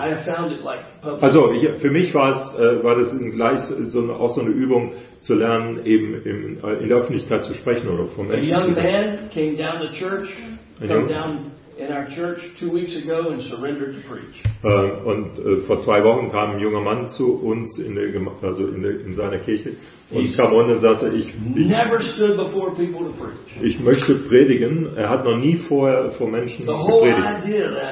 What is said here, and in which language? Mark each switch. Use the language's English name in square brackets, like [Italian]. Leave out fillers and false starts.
[English] I found it like public. [German] Also, für mich war das gleich auch so eine Übung zu lernen, eben in der Öffentlichkeit zu sprechen oder vom Menschen. [English] A young man came down to church, came down in our church 2 weeks ago and surrendered to preach. [German] Vor 2 Wochen kam ein junger Mann zu uns in seiner Kirche. Und kam und sagte, ich möchte predigen. Er hat noch nie vorher vor Menschen gepredigt.